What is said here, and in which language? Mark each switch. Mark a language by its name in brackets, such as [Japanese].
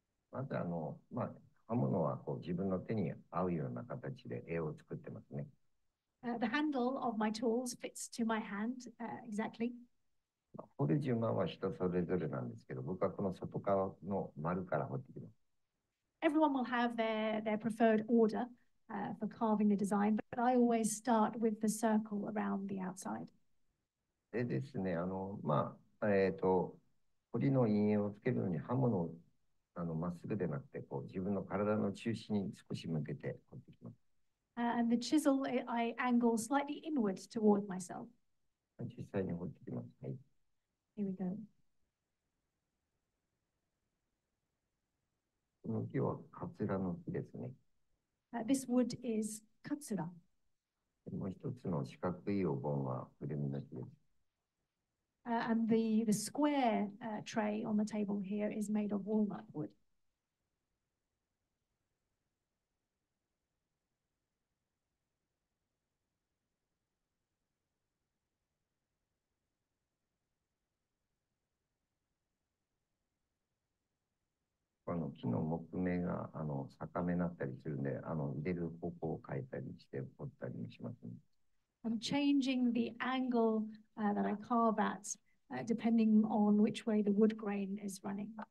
[Japanese] まずあの、まあ、刃物はこう自分の手に合うような形で絵を作ってますね。 [English] The handle of my tools fits to my hand, exactly. [Japanese] 掘る順番は人それぞれなんですけど、僕はこの外側の丸から掘ってきます。 [English] Everyone will have their preferred order, for carving the design, but I always start with the circle around the outside. [Japanese] でですね、あの、まあ、彫りの陰影をつけるのに刃物をあのまっすぐでなくてこう、自分の体の中心に少し向けて彫ってきます。 [English] And the chisel, I angle slightly inward toward myself. [Japanese] 実際に彫ってきます。はい。 [English] Here we go. [Japanese] この木はカツラの木ですね。 [English] This wood is カツラ。 [Japanese] もう一つの四角いお盆はクルミの木です。 [English] And the square tray on the table here is made of walnut wood. [Japanese] この木の木目があの逆目になったりするんで、あの入れる方向を変えたりして彫ったりしますね。 [English] I'm changing the angle that I carve at, depending on which way the wood grain is running.